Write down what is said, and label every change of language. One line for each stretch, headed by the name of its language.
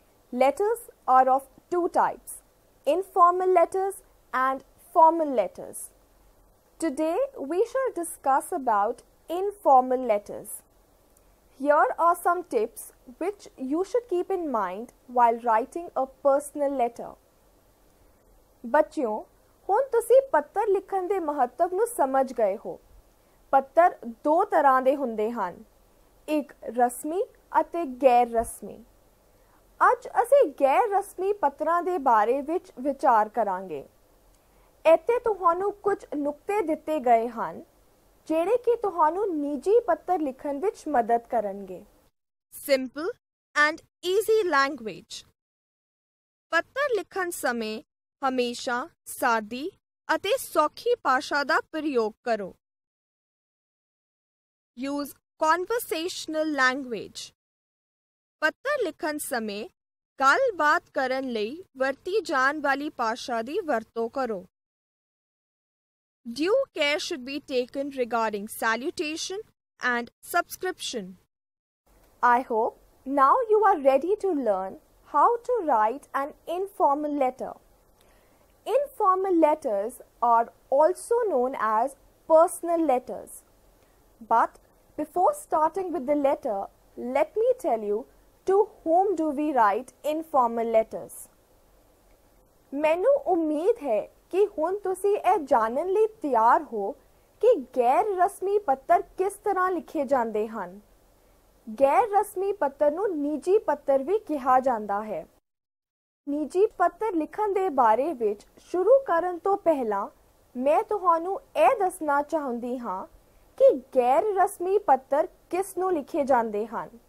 English: Letters are of two types, informal letters and formal letters. Today we shall discuss about informal letters. Here are some tips which you should keep in mind while writing a personal letter.
Punjabi: ਬੱਚਿਓ, ਹੁਣ ਤੁਸੀਂ ਪੱਤਰ ਲਿਖਣ ਦੇ ਮਹੱਤਵ ਨੂੰ ਸਮਝ ਗਏ ਹੋ। ਪੱਤਰ ਦੋ ਤਰ੍ਹਾਂ ਦੇ ਹੁੰਦੇ ਹਨ, ਇੱਕ ਰਸਮੀ ਅਤੇ ਗੈਰ ਰਸਮੀ। ਅੱਜ ਅਸੀਂ ਗੈਰ ਰਸਮੀ ਪੱਤਰਾਂ ਦੇ ਬਾਰੇ ਵਿੱਚ ਵਿਚਾਰ ਕਰਾਂਗੇ। ਇੱਥੇ ਤੁਹਾਨੂੰ ਕੁਝ ਨੁਕਤੇ ਦਿੱਤੇ ਗਏ ਹਨ ਜਿਹੜੇ ਕਿ ਤੁਹਾਨੂੰ ਨਿੱਜੀ ਪੱਤਰ ਲਿਖਣ ਵਿੱਚ ਮਦਦ ਕਰਨਗੇ।
English: Simple and easy language.
Punjabi: ਪੱਤਰ ਲਿਖਣ ਸਮੇਂ ਹਮੇਸ਼ਾ ਸਾਦੀ ਅਤੇ ਸੌਖੀ ਭਾਸ਼ਾ ਦਾ ਪ੍ਰਯੋਗ ਕਰੋ।
English: Use conversational language.
Punjabi: ਪੱਤਰ ਲਿਖਣ ਸਮੇਂ ਗੱਲਬਾਤ ਕਰਨ ਲਈ ਵਰਤੀ ਜਾਣ ਵਾਲੀ ਭਾਸ਼ਾ ਦੀ ਵਰਤੋਂ ਕਰੋ।
English: Due care should be taken regarding salutation and subscription. I hope now you are ready to learn how to write an informal letter. Informal letters are also known as personal letters. But before starting with the letter, let me tell you, to whom do we write informal letters?
Punjabi: ਮੈਨੂੰ ਉਮੀਦ ਹੈ ਕਿ ਹੁਣ ਤੁਸੀਂ ਇਹ ਜਾਣਨ ਲਈ ਤਿਆਰ ਹੋ ਕਿ ਗੈਰ ਰਸਮੀ ਪੱਤਰ ਕਿਸ ਤਰ੍ਹਾਂ ਲਿਖੇ ਜਾਂਦੇ ਹਨ। ਗੈਰ ਰਸਮੀ ਪੱਤਰ ਨੂੰ ਨਿੱਜੀ ਪੱਤਰ ਵੀ ਕਿਹਾ ਜਾਂਦਾ ਹੈ। ਨਿੱਜੀ ਪੱਤਰ ਲਿਖਣ ਦੇ ਬਾਰੇ ਵਿੱਚ ਸ਼ੁਰੂ ਕਰਨ ਤੋਂ ਪਹਿਲਾਂ ਮੈਂ ਤੁਹਾਨੂੰ ਇਹ ਦੱਸਣਾ ਚਾਹੁੰਦੀ ਹਾਂ ਕਿ ਗੈਰ ਰਸਮੀ ਪੱਤਰ ਕਿਸ ਨੂੰ ਲਿਖੇ ਜਾਂਦੇ ਹਨ।